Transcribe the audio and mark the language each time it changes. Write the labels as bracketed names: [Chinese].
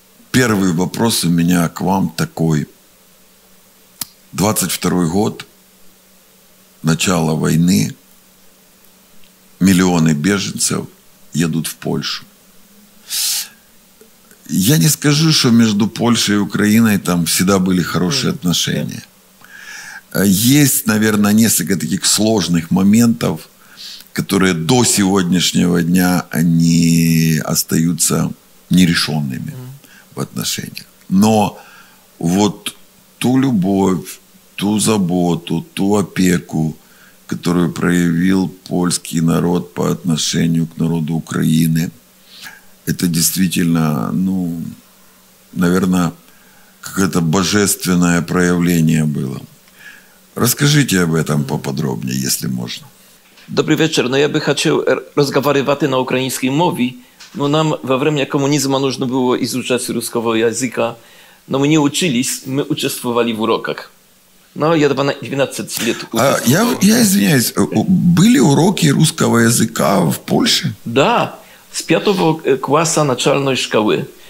[Ukrainian] Перший вопрос у мене к вам такий. 22-й год, начало війни, мільйони біженців їдуть в Польщу. Я не скажу, що між Польщею і Україною там завжди були хороші відносини. [Russian] Есть, наверное, несколько таких сложных моментов, которые до сегодняшнего дня они остаются нерешенными в отношениях. Но вот ту любовь, ту заботу, ту опеку, которую проявил польский народ по отношению к народу Украины, это действительно, ну, наверное, какое-то божественное проявление было. [Ukrainian] Розкажіть [Russian] об этом [Ukrainian] поподробніше, якщо можна. Добрий вечір. Ну, я би хотів розмовляти на українській мові. [Russian] Ну, нам во время комунізму нужно було изучать русского языка. Но мы не учились, мы участвовали в уроках. Ну, я 12 лет участвовал. Я извиняюсь, были уроки русского языка в Польше? Да, с 5 класса начальной школы.